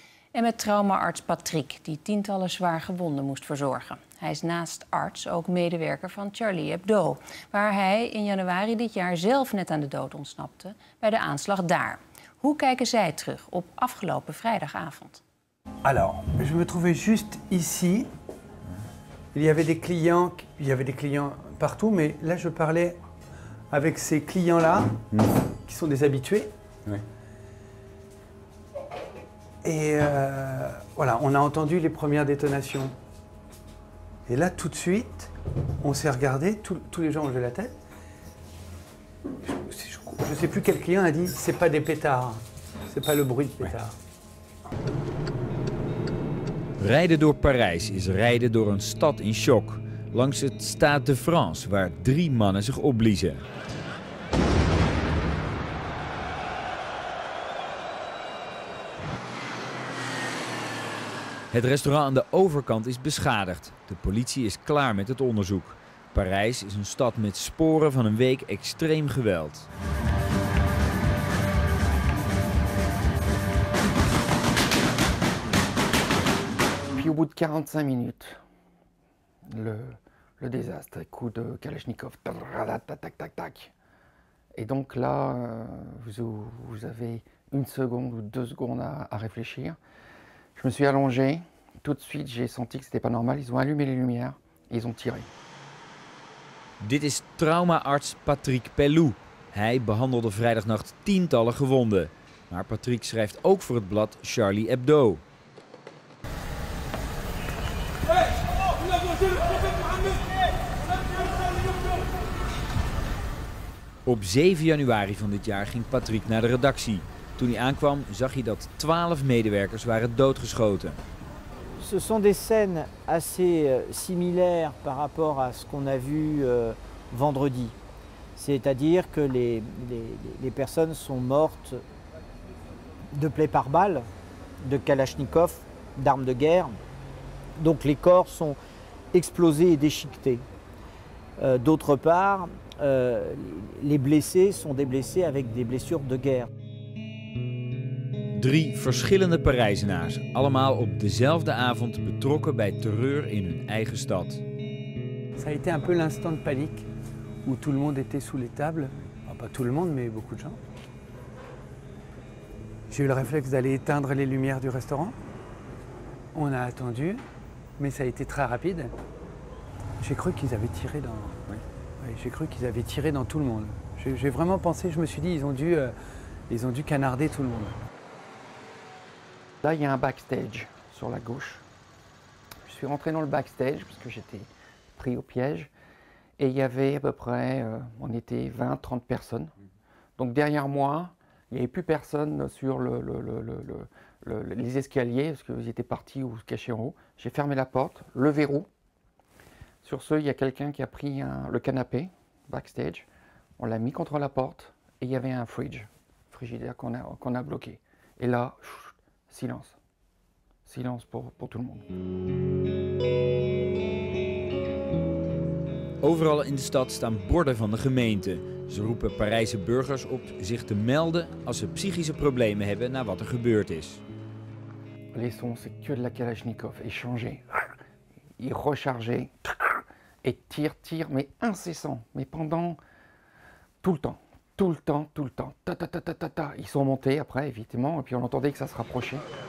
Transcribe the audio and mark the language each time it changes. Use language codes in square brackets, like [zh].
[nl] En met traumaarts Patrick, die tientallen zwaar gewonden moest verzorgen. Hij is naast arts ook medewerker van Charlie Hebdo, waar hij in januari dit jaar zelf net aan de dood ontsnapte bij de aanslag daar. Hoe kijken zij terug op afgelopen vrijdagavond? [fr] Alors, je me trouvais juste ici. Il y avait des clients, partout, mais là je parlais avec ces clients-là qui sont des habitués. Oui. Et voilà, on a entendu les premières détonations. Et là, tout de suite, on s'est regardé, tous les gens ont levé la tête. Je ne sais plus quel client a dit, c'est pas des pétards, c'est pas le bruit de pétards. Oui. [nl] Rijden door Parijs is rijden door een stad in shock. Langs het Stade de France, waar drie mannen zich opbliezen. Het restaurant aan de overkant is beschadigd. De politie is klaar met het onderzoek. Parijs is een stad met sporen van een week extreem geweld. [fr] Puis au bout de 45 minutes, le désastre, coup de Kalachnikov, tac tac tac. Et donc là, vous avez une seconde ou deux secondes à réfléchir. Je me suis allongé. Tout de suite, j'ai senti que c'était pas normal. Ils ont allumé les lumières et ils ont tiré. [nl] Dit is traumaarts Patrick Pellou. Hij behandelde vrijdagnacht tientallen gewonden. Maar Patrick schrijft ook voor het blad Charlie Hebdo. Op 7 januari van dit jaar ging Patrick naar de redactie. Toen hij aankwam, zag hij dat 12 medewerkers waren doodgeschoten. [fr] Ce sont des scènes assez similaires par rapport à ce qu'on a vu vendredi. C'est-à-dire que les personnes sont mortes de plaies par balle, de kalachnikov, d'armes de guerre. Donc les corps sont explosés et déchiquetés. D'autre part, les blessés sont des blessés avec des blessures de guerre. [nl] Drie verschillende Parijzenaars, allemaal op dezelfde avond betrokken bij terreur in hun eigen stad. [fr] Ça a été un peu l'instant de panique où tout le monde était sous les tables, enfin, pas tout le monde mais beaucoup de gens. J'ai eu le réflexe d'aller éteindre les lumières du restaurant. On a attendu, mais ça a été très rapide. J'ai cru qu'ils avaient tiré dans tout le monde. J'ai vraiment pensé, je me suis dit ils ont dû canarder tout le monde. Là, il y a un backstage sur la gauche. Je suis rentré dans le backstage parce que j'étais pris au piège. Et il y avait à peu près, on était 20-30 personnes. Donc derrière moi, il n'y avait plus personne sur les escaliers parce que vous étiez partis ou cachés en haut. J'ai fermé la porte, le verrou. Sur ce, il y a quelqu'un qui a pris le canapé backstage. On l'a mis contre la porte et il y avait un frigidaire qu'on a bloqué. Et là, silence. Silence pour tout le monde. [nl] Overal in de stad staan borden van de gemeente. Ze roepen Parijse burgers op zich te melden als ze psychische problemen hebben na wat er gebeurd is. [fr] Les sons, c'est que de la Kalachnikov. Échangé. Il rechargé. Et tire, tire, mais incessant. Mais pendant tout le temps. Tout le temps, tout le temps. Ta, ta, ta, ta, ta, ta. Ils sont montés après, évidemment, et puis on entendait que ça se rapprochait.